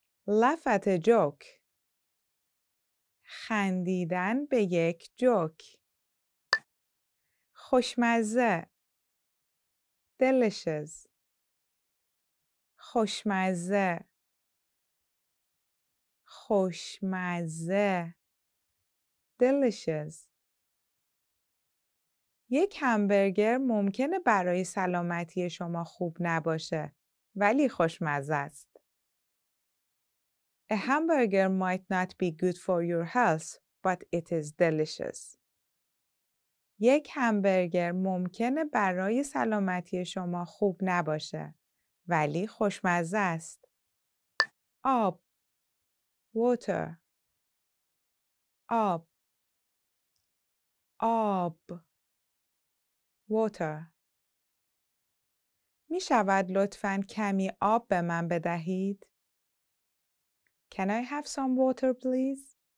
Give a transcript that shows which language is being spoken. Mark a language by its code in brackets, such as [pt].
[en] laugh at a joke [fa] خندیدن به یک joke خوشمزه delicious خوشمزه خوشمزه delicious یک همبرگر ممکنه برای سلامتی شما خوب نباشه ولی خوشمزه است. [en] A hamburger might not be good for your health, but it is delicious. [fa] یک همبرگر ممکنه برای سلامتی شما خوب نباشه ولی خوشمزه است. آب water آب آب water می شود لطفاً کمی آب به من بدهید؟ [en] Can I have some water please?